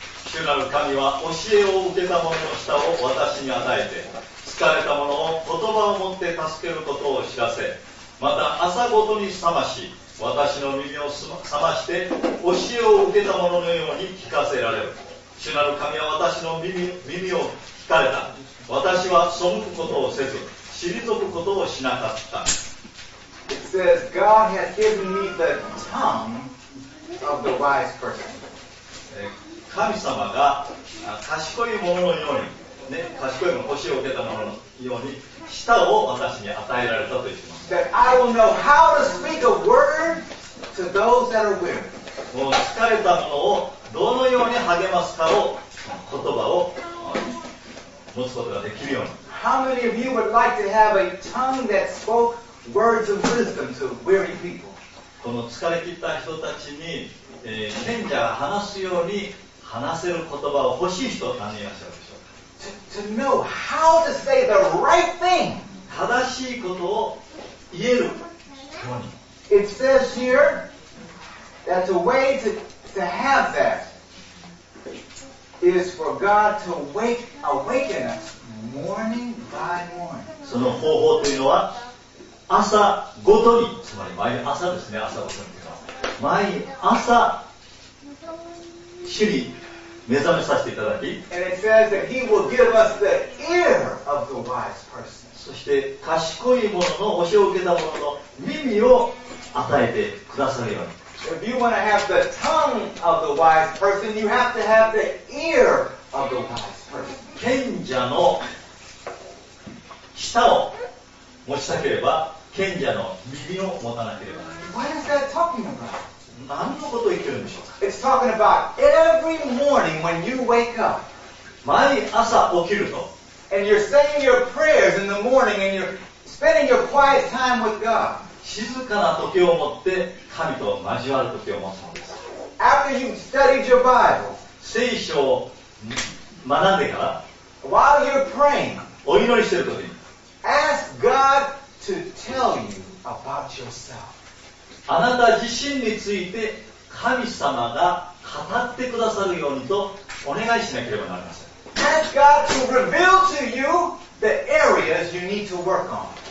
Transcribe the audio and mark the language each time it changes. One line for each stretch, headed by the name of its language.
Japanese: 主なる神は教えを受けた者の舌を私に与えて、疲れた者を言葉を持って助けることを知らせ、また朝ごとに覚まし、私の耳を覚まして教えを受けた者のように聞かせられる。主なる神は私の耳を聞かれた。私は背くことをせず退くことをしなかった。
English: It says God has given me the tongue of the wise person.
Japanese: 神様が賢い者のように、ね、賢い者、教えを受けた者のように舌を私に与えられたと言っています。
English: That I will know how to speak a word to those that are weary.
Japanese: もう疲れた者をどのように励ますかを言葉を持つことができるように。
English: How many of you would like to have a tongue that spoke words of wisdom to weary people?
Japanese: この疲れ切った人たちに、賢者が話すように話せる言葉を欲しい人何人いらっしゃるでしょうか。
English: To know how to say the right thing.
Japanese: 正しいことを言える人に。
English: It says here that the way to have that is for God to awaken us morning by morning.
Japanese: その方法というのは朝ごとに、つまり毎朝ですね、朝ごとにというのは毎朝主に目覚めさせていただき、
English: And it says that he will give us the ear of the wise person.
Japanese: そして賢い者の、教えを受けた者の耳を与えてくださるように。
English: If you want to have the tongue of the wise person, you have to have the ear of the wise person.
Japanese: 賢者の舌を持ちたければ賢者の耳を持たなければ。
English: What is that talking about?
Japanese: 何のことを言ってるんでしょうか。
English: It's talking about every morning when you wake up.
Japanese: 毎朝起きると。
English: And you're saying your prayers in the morning and you're spending your quiet time with God.
Japanese: 静かな時を持って神と交わる時を持つのです。
English: After you've studied your Bible,
Japanese: 聖書を学んでから
English: while you're praying,
Japanese: お祈りしている時に
English: Ask God to tell you about yourself.
Japanese: あなた自身について神様が語ってくださるようにとお願いしなければなりません。
English: Ask God to reveal to you the areas you need to work on.